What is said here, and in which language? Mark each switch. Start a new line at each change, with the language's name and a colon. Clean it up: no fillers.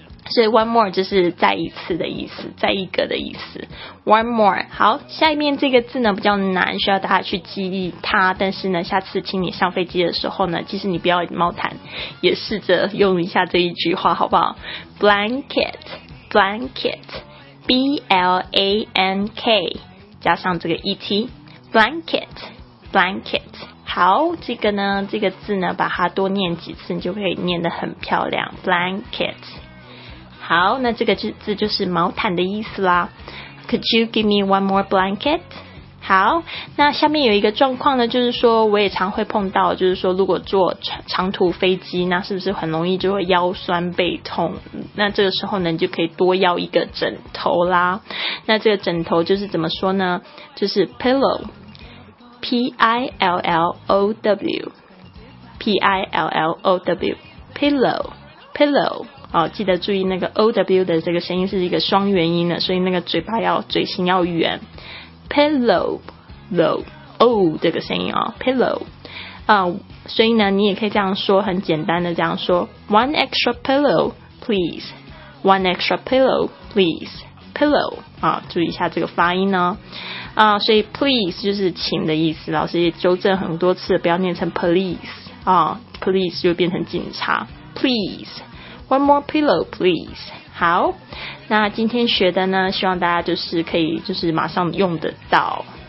Chinese: 所以 one more 就是再一次的意思，再一个的意思。
English: one more。
Chinese: 好，下面这个字呢比较难，需要大家去记忆它，但是呢下次请你上飞机的时候呢，即使你不要冒谈，也试着用一下这一句话好不好。
English: blanket blanket B-L-A-N-K 加上这个 E-T blanket blanket。
Chinese: 好，这个呢这个字呢把它多念几次，你就可以念得很漂亮， blanket。好，那这个字就是毛毯的意思啦。
English: Could you give me one more blanket?
Chinese: 好，那下面有一个状况呢，就是说我也常会碰到，就是说如果坐长途飞机，那是不是很容易就会腰酸背痛，那这个时候呢你就可以多要一个枕头啦。那这个枕头就是怎么说呢，就是 pillow P-I-L-L-O-W P-I-L-L-O-W pillow pillow。哦，记得注意那个 OW 的这个声音是一个双元音的，所以那个嘴巴要嘴型要圆。 Pillow low, O 这个声音哦， Pillow、所以呢你也可以这样说，很简单的这样说，
English: One extra pillow please， One extra pillow please
Chinese: Pillow、注意一下这个发音哦、所以 please 就是请的意思，老师也纠正很多次不要念成 police、police 就变成警察。
English: PleaseOne more pillow, please.
Chinese: 好，那今天学的呢，希望大家就是可以就是马上用得到。